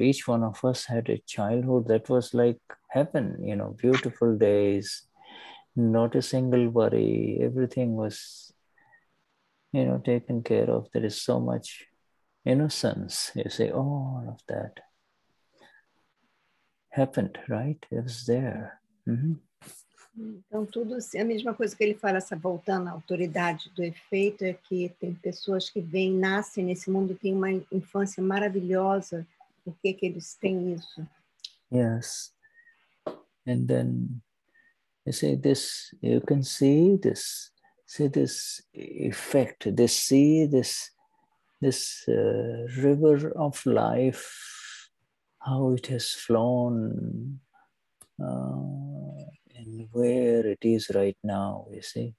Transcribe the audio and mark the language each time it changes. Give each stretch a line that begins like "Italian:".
English: Each one of us had a childhood that was like heaven, you know, beautiful days, not a single worry. Everything was, you know, taken care of. There is so much innocence, you say, all of that happened, right? It was there. Mm-hmm.
Portuguese: Então, tudo assim, a mesma coisa que ele fala, essa voltando à autoridade do efeito, é que tem pessoas que vêm, nascem nesse mundo, têm uma infância maravilhosa. Por que que eles têm isso?
English: Yes. And then, you say this, you can see this effect, this, see this, this river of life, how it has flown, and where it is right now, you see.